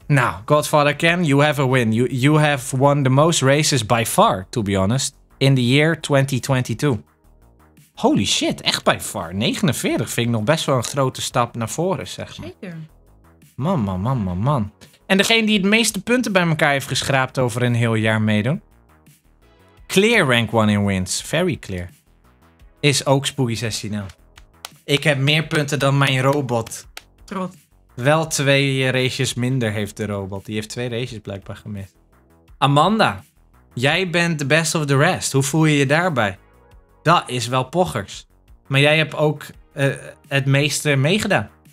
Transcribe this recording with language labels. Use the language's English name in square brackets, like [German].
[English] Nou, Godfather Ken, you have a win. You have won the most races by far, to be honest, in the year 2022. Holy shit, echt by far. [Dutch] 49 vind ik nog best wel een grote stap naar voren, zeg maar. Zeker. Man. En degene die het meeste punten bij elkaar heeft geschraapt over een heel jaar meedoen. [English] Clear rank 1 in wins, very clear. [Dutch] Is ook Spooky 16L. Ik heb meer punten dan mijn robot. Trots. Wel twee races minder heeft de robot. Die heeft twee races blijkbaar gemist. Amanda, jij bent [English] the best of the rest. [Dutch] Hoe voel je je daarbij? Dat is wel pochers. Maar jij hebt ook het meeste meegedaan.